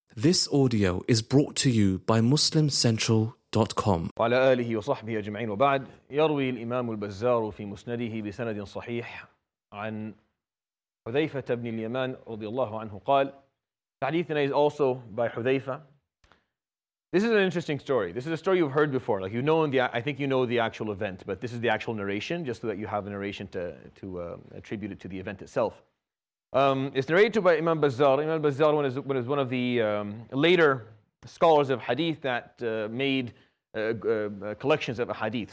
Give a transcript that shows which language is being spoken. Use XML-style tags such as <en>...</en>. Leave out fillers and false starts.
<en>This audio is brought to you by MuslimCentral.com.</en> <ar>وعلى آله وصحبه أجمعين وبعد يروي الإمام البزار في مسنده بسند صحيح عن حذيفة بن اليمان رضي الله عنه قال حديثنا</ar> <en>is also by</en> <ar>حذيفة.</ar> <en>This is an interesting story. This is a story you've heard before. Like you know, I think you know the actual event, but this is the actual narration, just so that you have a narration to attribute it to the event itself. It's narrated by Imam Bazzar. Imam Bazzar was one of the later scholars of hadith that made collections of a hadith.</en>